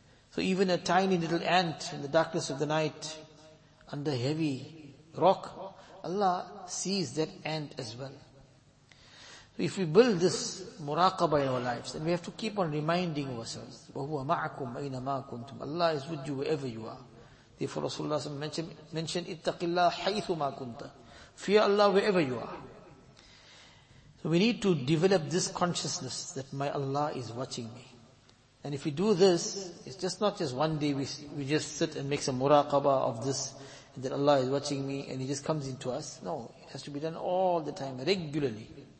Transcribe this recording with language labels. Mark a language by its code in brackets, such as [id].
[en] So even a tiny little ant in the darkness of the night under heavy rock, Allah sees that ant as well. So if we build this muraqabah in our lives, then we have to keep on reminding ourselves, [ar] وَهُوَ مَعَكُمْ أَيْنَمَا كُنْتُمْ. [en] Allah is with you wherever you are. Therefore Rasulullah mentioned, [ar] اِتَّقِ اللَّهِ حَيْثُ مَا كُنْتَ. [en] Fear Allah wherever you are. So we need to develop this consciousness that my Allah is watching me. And if we do this, it's just not just one day we just sit and make some muraqabah of this, and that Allah is watching me and He just comes into us. No, it has to be done all the time, regularly.